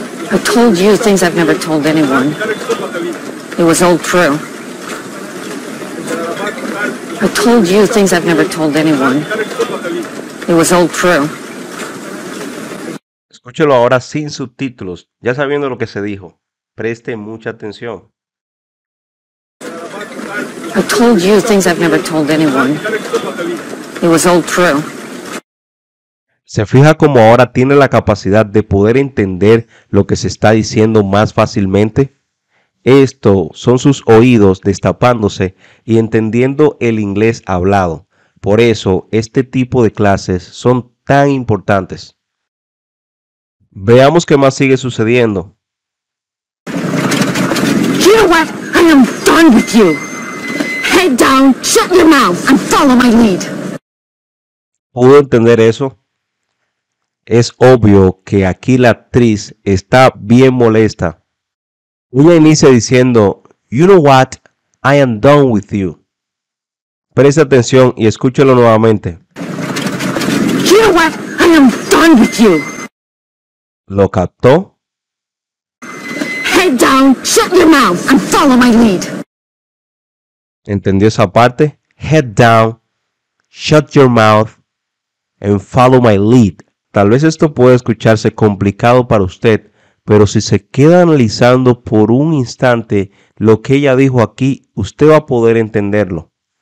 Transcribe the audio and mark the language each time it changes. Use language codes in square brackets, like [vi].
[en] I told you things I've never told anyone. It was all true. I told you things I've never told anyone. It was all true. [es] Escúchelo ahora sin subtítulos, ya sabiendo lo que se dijo. Preste mucha atención. [en] I told you things I've never told anyone. It was all true. [es] Se fija cómo ahora tiene la capacidad de poder entender lo que se está diciendo más fácilmente. Esto son sus oídos destapándose y entendiendo el inglés hablado. Por eso, este tipo de clases son tan importantes. Veamos qué más sigue sucediendo. [en] You know what? I am done with you. Head down, shut your mouth, and follow my lead. [es] ¿Pudo entender eso? Es obvio que aquí la actriz está bien molesta. Ella inicia diciendo, [en] you know what, I am done with you. [es] Preste atención y escúchelo nuevamente. [en] You know what, I am done with you. [es] ¿Lo captó? [en] Head down, shut your mouth, and follow my lead. [es] ¿Entendió esa parte? [en] Head down, shut your mouth, and follow my lead. [es] Tal vez esto pueda escucharse complicado para usted, pero si se queda analizando por un instante lo que ella dijo aquí, usted va a poder entenderlo.